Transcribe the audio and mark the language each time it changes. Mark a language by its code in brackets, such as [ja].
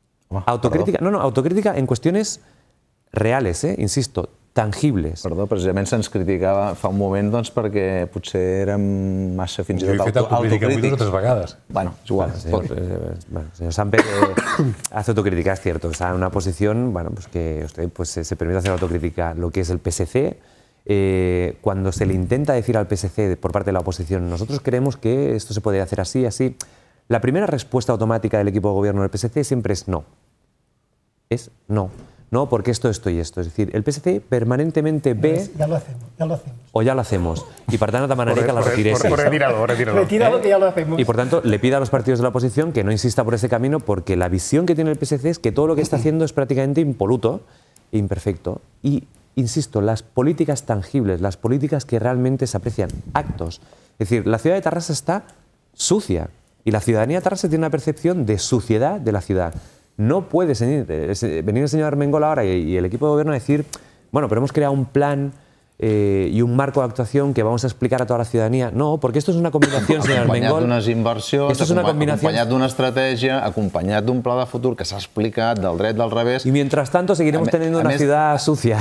[es] Autocrítica en cuestiones reales, insisto, tangibles. [ca] Perdó, precisament se'ns criticava fa un moment doncs, perquè potser érem massa fins i tot autocrítics. Jo he fet autocrítica moltes vegades. Bueno, és igual. [es] Senyor Sampe, hace autocrítica, es cierto. Está en una posición bueno, pues que usted pues, se permite hacer autocrítica lo que es el PSC. Cuando se le intenta decir al PSC por parte de la oposición, nosotros creemos que esto se puede hacer así, así, la primera respuesta automática del equipo de gobierno del PSC siempre es no. Es no. No, porque esto, esto y esto. Es decir, el PSC permanentemente ve... Ya lo hacemos. O ya lo hacemos. Y por tanto, [ca] demanaré que la retirese. [es] Retíralo, que ya lo hacemos. Y por tanto, le pido a los partidos de la oposición que no insista por ese camino, porque la visión que tiene el PSC es que todo lo que está haciendo es prácticamente impoluto e imperfecto. Y, insisto, las políticas tangibles, las políticas que realmente se aprecian, actos. Es decir, la ciudad de Tarrasa está sucia. Y la ciudadanía de Tarrasa tiene una percepción de suciedad de la ciudad. No puede venir el señor Armengol ahora y el equipo de gobierno a decir, bueno, pero hemos creado un plan y un marco de actuación que vamos a explicar a toda la ciudadanía. No, porque esto es una combinación, señor Armengol. [ca] Acompanyat d'unes inversions, [es] esto es una combinación, [ca] acompanyat d'una estratègia, acompanyat d'un pla de futur que s'ha explicat del dret, del revés... [es] I mientras tanto seguiremos teniendo una ciudad sucia.